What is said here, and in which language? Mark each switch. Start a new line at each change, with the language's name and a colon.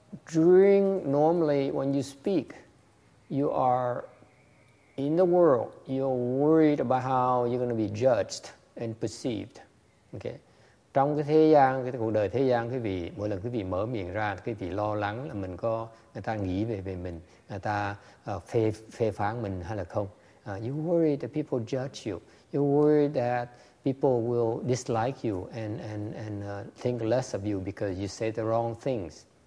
English: During normally when you speak, you are in the world, you're worried about how you're going to be judged and perceived.
Vietnamese: Okay, trong cái thế gian, cái cuộc đời thế gian, quý vị mỗi lần quý vị mở miệng ra, quý vị lo lắng là mình có người ta nghĩ về mình, người ta phê phán mình hay là không.
English: You worry that people judge you, you worry that people will dislike you and think less of you because you say the wrong things.